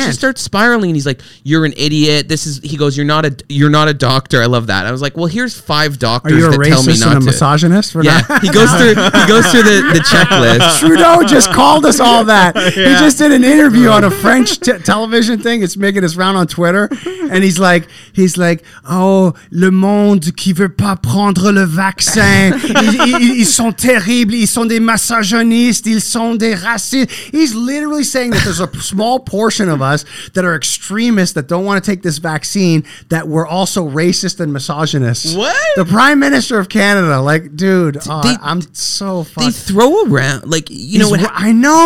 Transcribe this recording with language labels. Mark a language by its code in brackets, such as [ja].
[en] He just starts spiraling and he's like, you're an idiot. This is, he goes, you're not a doctor. I love that. I was like, well, here's five doctors that tell me not to. Are you a racist and a misogynist? Yeah. He goes through the checklist. Trudeau just called us all that. Yeah. He just did an interview on a French television thing. It's making his round on Twitter. And he's like, oh, [fr] le monde qui veut pas prendre le vaccin. Ils sont terribles. Ils sont des misogynistes. Ils sont des racistes. [en] He's literally saying that there's a small portion of us that are extremists that don't want to take this vaccine, that we're also racist and misogynists. What? The Prime Minister of Canada. Like, dude, I'm so fucked. They throw around, like, you know what? I know.